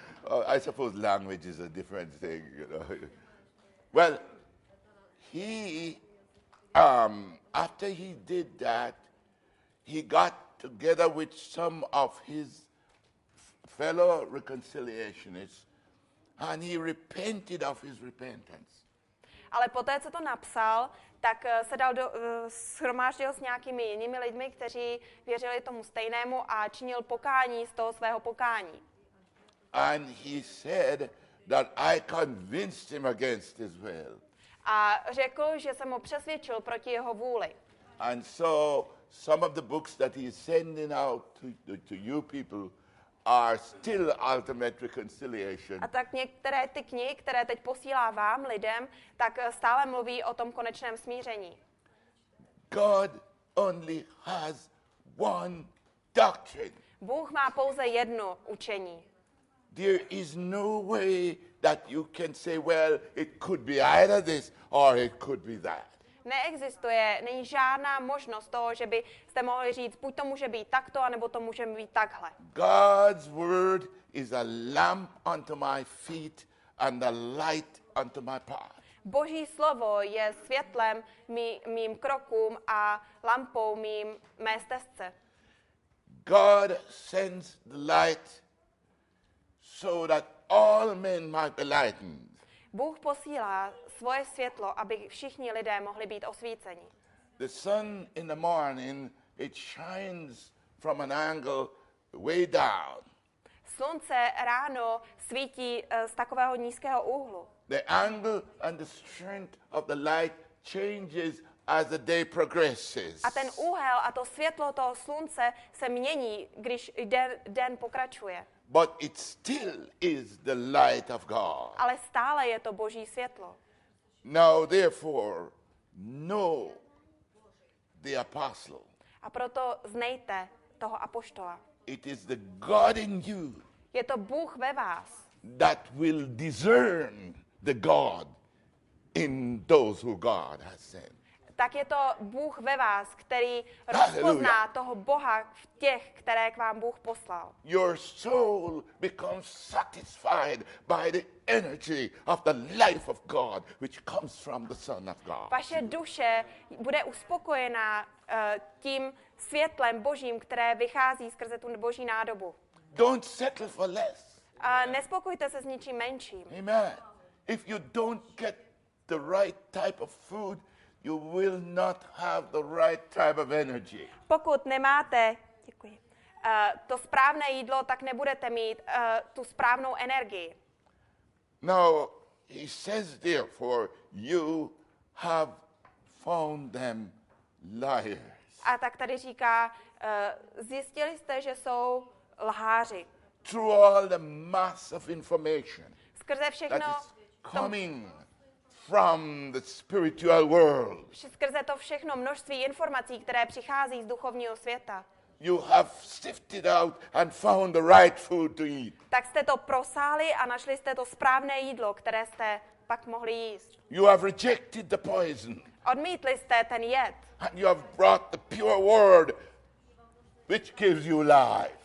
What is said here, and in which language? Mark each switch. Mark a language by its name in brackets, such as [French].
[English] Oh, I suppose language is a different thing, you know. Well, he, after he did that, he got together with some of his fellow reconciliationists, and he repented of his repentance. [Czech] Ale poté, co to napsal, tak se dal do shromáždil s nějakými jinými lidmi, kteří věřili tomu stejnému a činil pokání z toho svého pokání. [English] And he said that I convinced him against his will. [Czech] A řekl, že jsem ho přesvědčil proti jeho vůli. [English] And so some of the books that he is sending out to you people are still ultimate reconciliation. [Czech] A tak některé ty knihy, které teď posílá vám lidem, tak stále mluví o tom konečném smíření. [English] God only has one doctrine. [Czech] Bůh má pouze jedno učení. [English] There is no way that you can say, well, it could be either this or it could be that. [Czech] Neexistuje, není žádná možnost toho, že byste mohli říct, buď to může být takto, anebo to může být takhle. [English] God's word is a lamp unto my feet and a light unto my path. [Czech] Boží slovo je světlem mým krokům a lampou mé stezce. [English] God sends the light so that all men might be lightened. [Czech] Bůh posílá svoje světlo, aby všichni lidé mohli být osvíceni. [English] The sun in the morning, it shines from an angle way down. [Czech] Slunce ráno svítí z takového nízkého úhlu. [English] The angle and the strength of the light changes as the day progresses. [Czech] A ten úhel a to světlo toho slunce se mění, když den pokračuje. [English] But it still is the light of God. [Czech] Ale stále je to Boží světlo. [English] Now therefore know the apostle. [Czech] A proto znejte toho apoštola. [English] It is the God in you. [Czech] Je to Bůh ve vás. [English] That will discern the God in those who God has sent. [Czech] Tak je to Bůh ve vás, který rozpozná toho Boha v těch, které k vám Bůh poslal. [English] Your soul becomes satisfied by the energy of the life of God, which comes from the Son of God. [Czech] Vaše duše bude uspokojená tím světlem Božím, které vychází skrze tu Boží nádobu. [English] Don't settle for less. [Czech] A nespokojte se s ničím menším. [English] Amen. If you don't get the right type of food, you will not have the right type of energy. [Czech] Pokud nemáte, děkuji. To správné jídlo, tak nebudete mít tu správnou energii. [English] Now, he says therefore you have found them liars. [Czech] A tak tady říká, zjistili jste, že jsou lháři. [English] Through all the mass of information. [Czech] Skrze všechno [English] coming from the spiritual world. [Czech] Skrze to všechno množství informací, které přichází z duchovního světa. [English] You have sifted out and found the right food to eat. [Czech] Tak jste to prosáli a našli jste to správné jídlo, které jste pak mohli jíst. [English] You have rejected the poison. [Czech] Odmítli jste ten jed. [English] And you have brought the pure word which gives you life.